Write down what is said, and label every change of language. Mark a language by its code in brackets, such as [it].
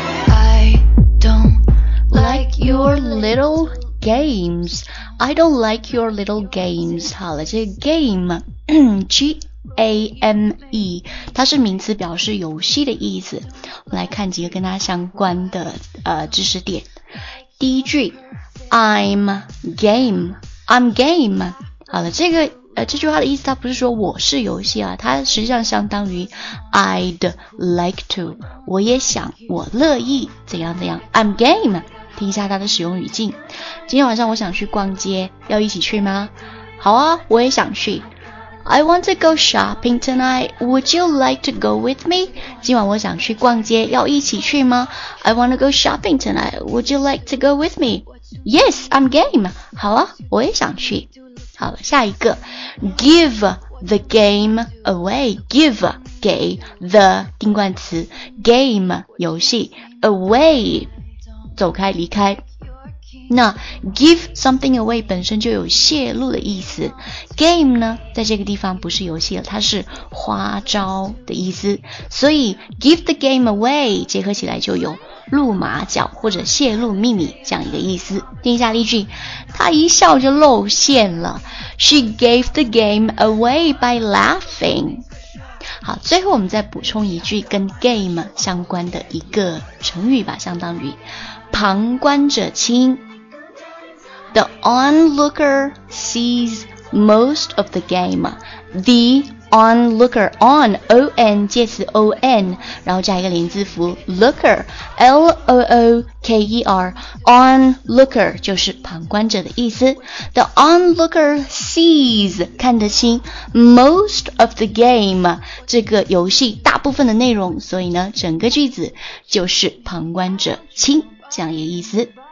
[en] I don't like your little games. I don't like your little games. [zh] 好了，这个 [en] game G [zh] AME， 它是名词，表示游戏的意思。我来看几个跟它相关的知识点。第一句 [en] I'm game。 [zh] 好了，这句话的意思它不是说我是游戏啊，它实际上相当于 [en] I'd like to， [zh] 我也想，我乐意怎样怎样， [en] I'm game。 [zh] 听一下它的使用语境，今天晚上我想去逛街，要一起去吗？好啊，我也想去。 [en] I want to go shopping tonight, would you like to go with me? [zh] 今晚我想去逛街，要一起去吗？ [en] I want to go shopping tonight, would you like to go with me? Yes, I'm game. [zh] 好啊，我也想去。好了，下一个 [en] Give the game away. [zh] Give 给 the 定冠词 game 游戏 away 走开离开。那 [en] give something away [zh] 本身就有泄露的意思， game 呢在这个地方不是游戏了，它是花招的意思，所以 [en] give the game away [zh] 结合起来就有露马脚或者泄露秘密这样一个意思。听一下例句，他一笑就露馅了， [en] She gave the game away by laughing。 [zh] 好，最后我们再补充一句跟 game 相关的一个成语吧，相当于旁观者清。 [en] The onlooker sees most of the game. [zh] The onlooker, on, O-N, 介词 O-N, 然后加一个连字符 looker, L-O-O-K-E-R, onlooker 就是旁观者的意思。 [en] The onlooker sees, [zh] 看得清 [en] most of the game, [zh] 这个游戏大部分的内容，所以呢，整个句子就是旁观者清这样一个意思。